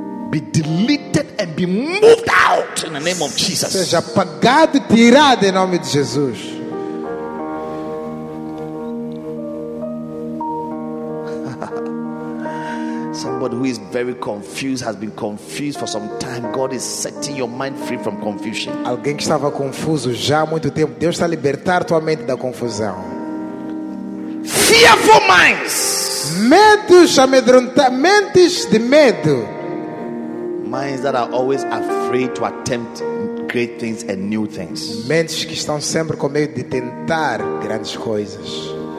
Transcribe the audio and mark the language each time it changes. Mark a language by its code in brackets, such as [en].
[en] Be deleted and be moved out in the name of Jesus. [pt] Seja apagado e tirado em nome de Jesus. [en] Who is very confused, has been confused for some time. God is setting your mind free from confusion. [pt] Alguém que estava confuso já há muito tempo, Deus está a libertar tua mente da confusão. [en] Fearful minds. [pt] Medos amedrontados, mentes de medo. [en] Minds that are always afraid to attempt great things and new things. [pt] Mentes que estão sempre com medo de tentar grandes coisas.